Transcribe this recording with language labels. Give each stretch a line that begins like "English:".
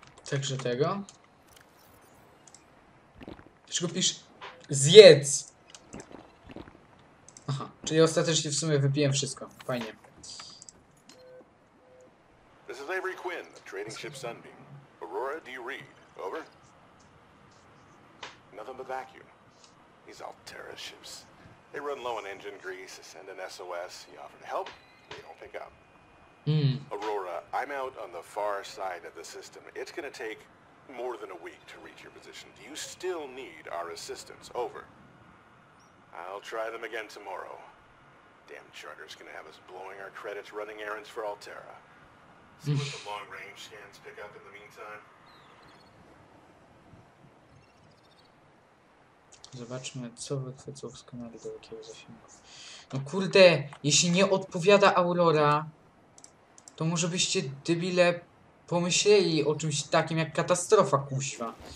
Polish: Także tego. Dlaczego pisz zjedz? Aha, czyli ostatecznie w sumie wypiłem wszystko. Fajnie.
English: This is Avery Quinn, training ship Sunbeam. Aurora, do you read? Over. Nothing but vacuum. These Altera ships. They run low on engine grease, send an SOS, you offer to help, they don't pick up. Aurora, I'm out on the far side of the system. It's gonna take more than a week to reach your position. Do you still need our assistance? Over. I'll try them again tomorrow. Damn charter's gonna have us blowing our credits running errands for Altera. See what the long-range scans pick up in the meantime.
Polish: Zobaczmy, co wychwycą w skanery do jakiego zasięgu. No kurde, jeśli nie odpowiada Aurora, to może byście, debile, pomyśleli o czymś takim jak katastrofa, kuźwa.